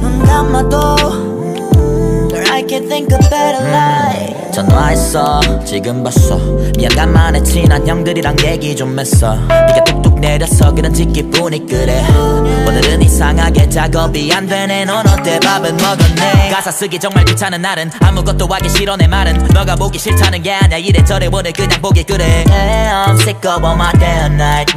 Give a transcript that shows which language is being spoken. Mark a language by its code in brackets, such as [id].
[ko] 눈 감아도 [en] I can think of better life. [ko] 전화했어 지금 봤어. 미안 간만에 친한 형들이랑 얘기 좀 했어. 네가 뚝뚝 내려서 그런지 기분이 그래. 오늘은 이상하게 작업이 안 되네. 넌 어때 밥은 먹었네. 가사 쓰기 정말 귀찮은 날은 아무것도 하기 싫어 내 말은. 너가 보기 싫다는 게 아니야. 이래저래 오늘 그냥 보기 그래. [en] Hey, I'm sick of all my day and night.